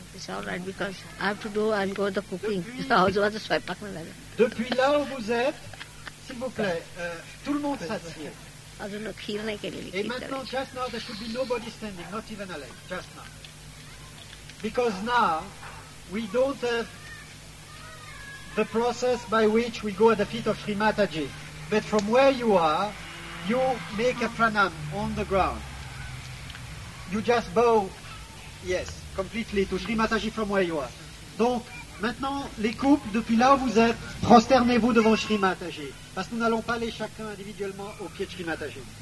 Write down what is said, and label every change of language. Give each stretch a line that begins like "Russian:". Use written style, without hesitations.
English: It's all right because I have to do and go the cooking.
French: Depuis là où vous êtes, s'il vous plaît, tout le monde s'assied. Et maintenant,
English: just now, there should be nobody standing, not even a leg, just now. Because now, we don't have the process by which we go at the feet of Shri Mataji. But from where you are, you make a pranam on the ground. You just bow, yes, completely to Shri Mataji from where you are. Donc,
French: Maintenant, les couples, depuis là où vous êtes, prosternez-vous devant Shri Mataji. Parce que nous n'allons pas aller chacun individuellement au pied de Shri Mataji.